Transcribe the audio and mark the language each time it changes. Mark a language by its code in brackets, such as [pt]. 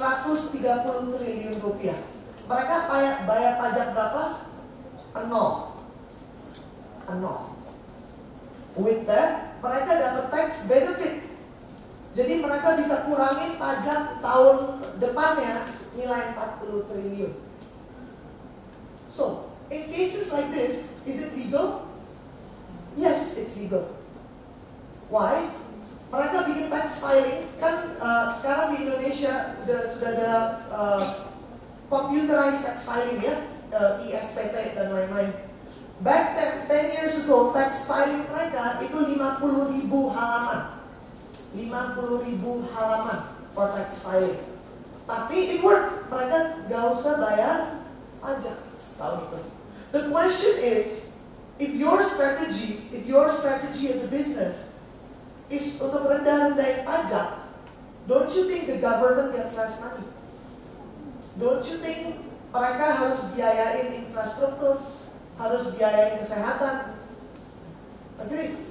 [id] Mereka bayar pajak berapa? Nol. [en] With that, [id] mereka dapat tax benefit. Jadi mereka bisa kurangin pajak tahun depannya nilai 40 triliun. [en] So, in cases like this, is it legal? Yes, it's legal. Why? [id] Mereka bikin tax filing, kan sekarang di Indonesia sudah ada computerized tax filing ya, ESPT dan lain-lain. [en] Back 10 years ago, tax filing [id] mereka itu 50 ribu halaman [en] for tax filing. [id] Tapi it work, mereka gak usah bayar pajak tahun itu. [en] The question is, if your strategy as a business is [id] untuk rendah-rendahin pajak, [en] don't you think the government gets less money? Don't you think [id] mereka harus biayain infrastruktur, harus biayain kesehatan? Agree?